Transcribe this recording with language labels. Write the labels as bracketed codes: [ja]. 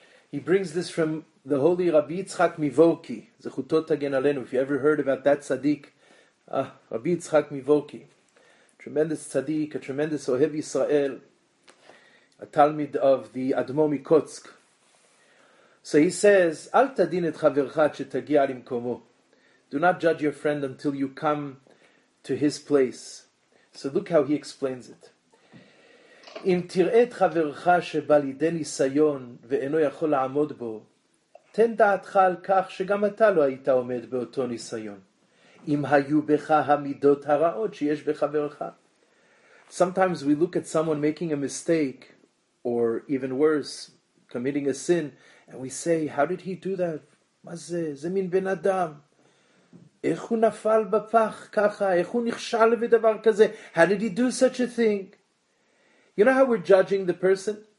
[en] He brings this from the holy Rabbi Yitzchak Mivorki, Zechuto Tagen Alenu. If you ever heard about that tzaddik, Rabbi Yitzchak Mivorki, tremendous tzaddik, a tremendous Ohev Yisrael, a Talmid of the Admo Mikotsk. [he] So he says, Al tadin et chavercha shetagi alim komo. [en] Do not judge your friend until you come to his place. So look how he explains it. [he] אם תראה את חברך שבא לידי ניסיון ואינו יכול לעמוד בו, תן דעתך על כך שגם אתה לא היית עומד באותו ניסיון. אם היו בך המידות הרעות שיש בחברך. [en] Sometimes we look at someone making a mistake, or even worse, committing a sin, and we say, how did he do that? [he] מה זה? זה מין בן אדם. איך הוא נפל בפח ככה? איך הוא נכשל בדבר כזה? [en] How did he do such a thing? You know how we're judging the person?